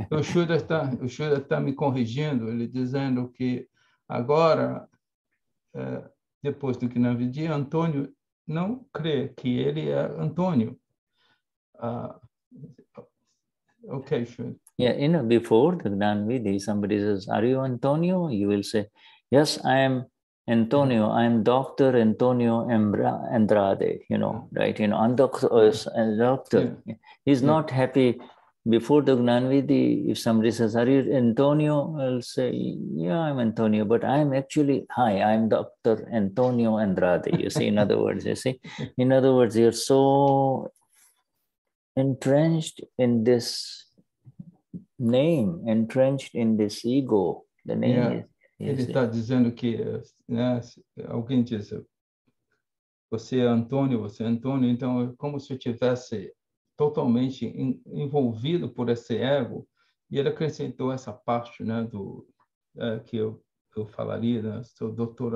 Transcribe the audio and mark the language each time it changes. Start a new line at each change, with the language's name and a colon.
Portuguese: O Shuddha está me corrigindo, ele dizendo que agora, depois do que na vida, Antônio não crê que ele é Antônio. Ok, Shuddha.
English: Yeah, before the Gnanvidhi, somebody says, are you Antônio? You will say, yes, I am Antônio. I am Dr. Antônio Andrade, you know, right? You know, I'm doctor. Yeah. He's not happy. Before the Gnanvidhi, if somebody says, are you Antonio? I'll say, yeah, I'm Antonio, but I'm Dr. Antonio Andrade. You see, in other words, you're so entrenched in this name, entrenched in this ego. The name is.
Portuguese: Ele está dizendo que, né, alguém diz, você é Antonio, então é como se eu tivesse. Totalmente envolvido por esse ego, e ele acrescentou essa parte, né, do que eu falaria, né, sou Dr.